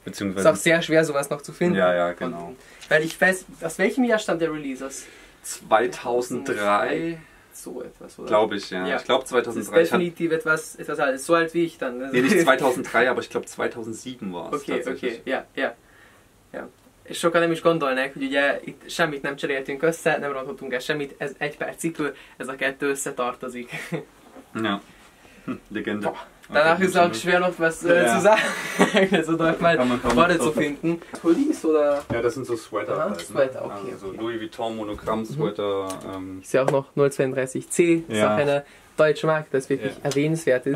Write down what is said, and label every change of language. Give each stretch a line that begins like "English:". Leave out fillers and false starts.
German: Ist auch sehr schwer, sowas noch zu finden. Ja, ja, genau. Und, weil ich weiß, aus welchem Jahr stammt der Release? 2003. So etwas, oder? Glaube ich, ja. Ich glaube 2003. Das ist definitiv etwas alt, so alt wie ich dann. Nee, nicht 2003, aber ich glaube 2007 war es Ja.
Hungarian: Sokan nem is gondolnák, hogy ugye itt semmit nem cseréltünk össze, nem rontottunk el semmit, ez egy pár cipő, ez a kettő összetartozik.
German: Ja. Legende. Oh. Danach ist auch schwer noch was zu sagen, also dort mal Worte zu finden. Hoodies oder? Ja, das sind so Sweater. Aha, halt, ne? Sweater, okay. Also okay. Louis Vuitton Monogramm-Sweater. Ich sehe auch noch 032C, ist auch eine deutsche Marke, das wirklich erwähnenswert ist.